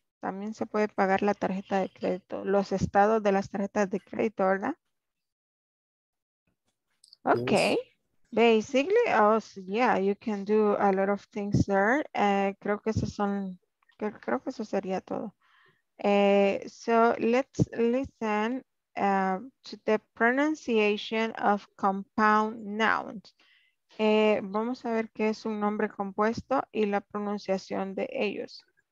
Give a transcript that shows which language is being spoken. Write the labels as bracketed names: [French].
[Spanish] También se puede pagar la tarjeta de crédito, los estados de las tarjetas de crédito, ¿verdad? [English] Okay. Yes. Basically, also, yeah, you can do a lot of things there. [Spanish] Creo que eso sería todo. [English] So let's listen to the pronunciation of compound nouns. [Spanish] Vamos a ver qué es un nombre compuesto y la pronunciación de ellos.